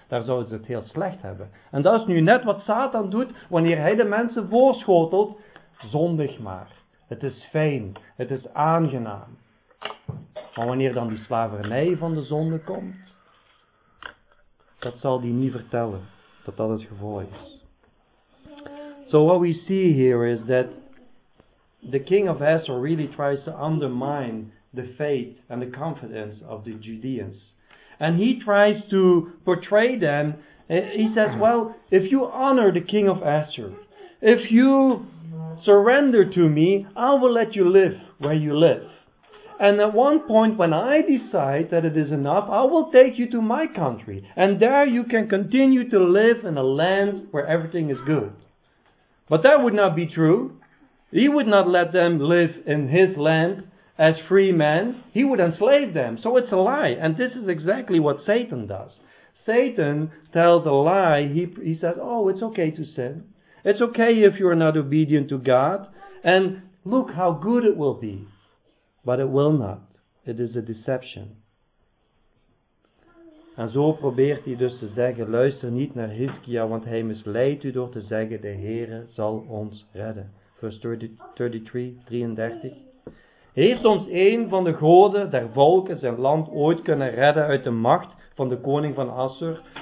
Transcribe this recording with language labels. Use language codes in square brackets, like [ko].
[nl] Daar zouden ze het heel slecht hebben. En dat is nu net wat Satan doet, wanneer hij de mensen voorschotelt. Zondig maar. Het is fijn. Het is aangenaam. Maar wanneer dan die slavernij van de zonde komt, dat zal die niet vertellen dat dat het gevolg is. [en] So what we see here is that the king of Assur really tries to undermine the faith and the confidence of the Judeans. And he tries to portray them, he says, well, if you honor the king of Assur, if you surrender to me, I will let you live where you live. And at one point, when I decide that it is enough, I will take you to my country. And there you can continue to live in a land where everything is good. But that would not be true. He would not let them live in his land as free men. He would enslave them. So it's a lie. And this is exactly what Satan does. Satan tells a lie. He says, oh, it's okay to sin. It's okay if you are not obedient to God. And look how good it will be. But it will not. It is a deception. [nl] En zo probeert hij dus te zeggen, luister niet naar Hiskia, want hij misleidt u door te zeggen, de Heere zal ons redden. Vers 33. Heeft ons een van de goden der volken zijn land ooit kunnen redden uit de macht van de koning van Assur?